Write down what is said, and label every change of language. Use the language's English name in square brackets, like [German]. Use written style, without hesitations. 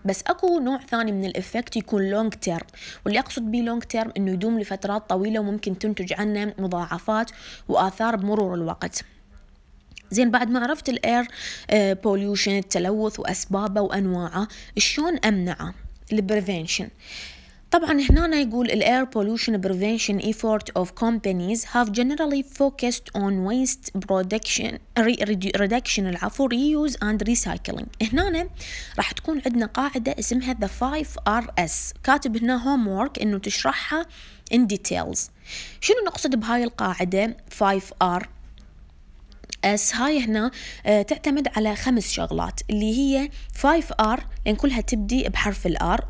[Arabic] بس اكو نوع ثاني من الافكت يكون لونج تيرم، واللي اقصد بيه لونج تيرم انه يدوم لفترات طويله وممكن تنتج عنه مضاعفات واثار بمرور الوقت. زين، بعد ما عرفت الاير بوليوشن، التلوث واسبابه وانواعه، شلون امنعه؟ البريفنشن. طبعا هنا يقول الـ [English] air pollution prevention effort of companies have generally focused on waste production reduction [Arabic] العفو [English] reuse and recycling. [Arabic] هنا راح تكون عندنا قاعدة اسمها the 5 RS، كاتب هنا homework انه تشرحها [English] in details. [Arabic] شنو نقصد بهاي القاعدة 5 RS؟ هاي هنا تعتمد على 5 شغلات، اللي هي 5 R، لأن كلها تبدي بحرف الR.